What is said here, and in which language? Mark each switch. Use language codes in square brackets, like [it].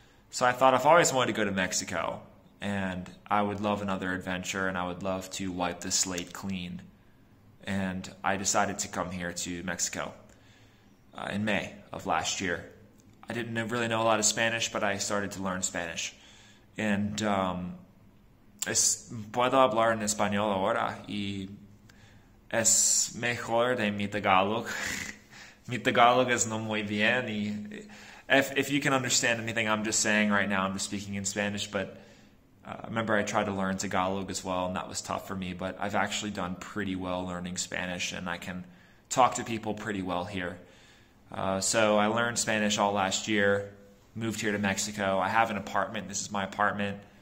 [en] So I thought I've always wanted to go to Mexico. And I would love another adventure, and I would love to wipe the slate clean. And I decided to come here to Mexico in May of last year. I didn't really know a lot of Spanish, but I started to learn Spanish. [es] And es puedo hablar en español ahora y es mejor de mi Tagalog. Mi Tagalog es no muy bien. [en] If you can understand anything I'm just saying right now, I'm just speaking in Spanish, but I remember I tried to learn Tagalog as well, and that was tough for me, but I've actually done pretty well learning Spanish, and I can talk to people pretty well here. So I learned Spanish all last year, moved here to Mexico. I have an apartment. This is my apartment.